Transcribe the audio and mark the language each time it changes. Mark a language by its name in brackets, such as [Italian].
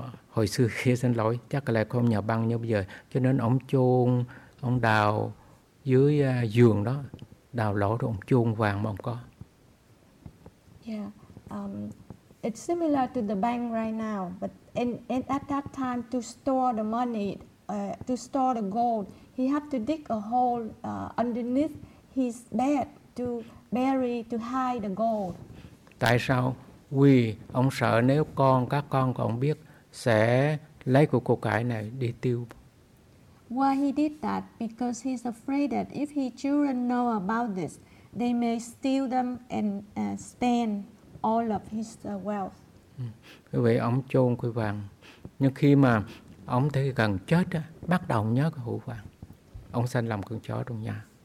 [Vietnamese] Hồi xưa kia, xin lỗi, chắc là không nhà băng như bây giờ, cho nên ông chôn, ông đào dưới giường đó, đào lỗ rồi ông chôn vàng mà ông có. [English] Yeah. It's similar to the bank right now, but in at that time to store the money, to store the gold, he had to dig a hole underneath his bed to bury, to hide the gold. [Vietnamese] Tại sao? Vì ông sợ nếu con, các con của ông biết sẽ lấy của cô cải này đi tiêu. [English] Why he did that? Because he's afraid that if his children know about this, they may steal them and spend all of his wealth. [Vietnamese] Vì vậy ông chôn cái vàng. Nhưng khi mà ông thấy gần chết, bắt đầu nhớ cái hũ vàng. Ông sanh làm con chó trong nhà.